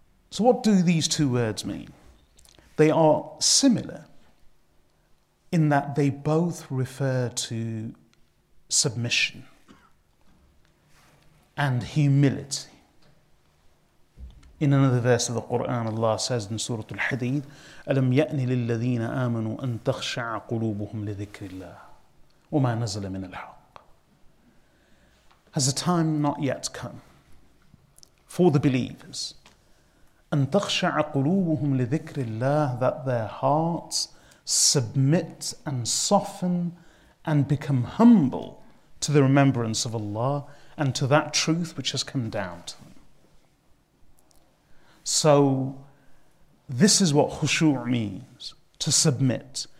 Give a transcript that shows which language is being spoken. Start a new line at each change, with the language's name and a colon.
English: So what do these two words mean? They are similar in that they both refer to submission and humility. In another verse of the Quran, Allah says in Surah Al-Hadid,
Arabic: أَلَمْ يَأْنِ لِلَّذِينَ آمَنُوا أَن تَخْشَعَ قُلُوبُهُمْ لِذِكْرِ اللَّهِ وَمَا نَزَلَ مِنَ الْحَقِّ.
English: Has the time not yet come for the believers?
Arabic: أَن تَخْشَعَ قُلُوبُهُمْ لِذِكْرِ اللَّهِ,
English: that their hearts submit and soften and become humble to the remembrance of Allah and to that truth which has come down to them. So this is what khushu' means, to submit.